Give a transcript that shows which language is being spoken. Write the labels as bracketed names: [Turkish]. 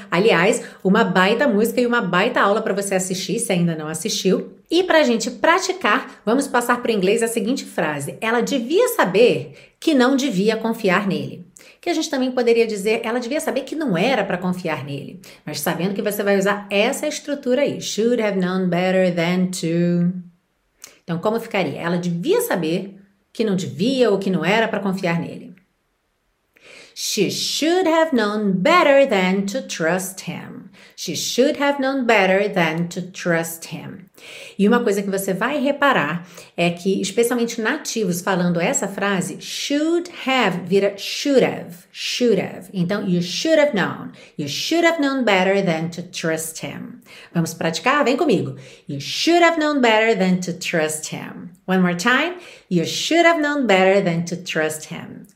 [Portuguese] Aliás, uma baita música e uma baita aula para você assistir, se ainda não assistiu. E para a gente praticar, vamos passar para o inglês a seguinte frase. Ela devia saber que não devia confiar nele. Que a gente também poderia dizer, ela devia saber que não era para confiar nele. Mas sabendo que você vai usar essa estrutura aí. [English] Should have known better than to. [Portuguese] Então, como ficaria? Ela devia saber que não devia ou que não era para confiar nele. [English] She should have known better than to trust him. She should have known better than to trust him. [Portuguese] E uma coisa que você vai reparar é que, especialmente nativos falando essa frase, should have vira [English] should have, should have. Então, you should have known better than to trust him. [Portuguese] Vamos praticar? Vem comigo. [English] You should have known better than to trust him. One more time. You should have known better than to trust him.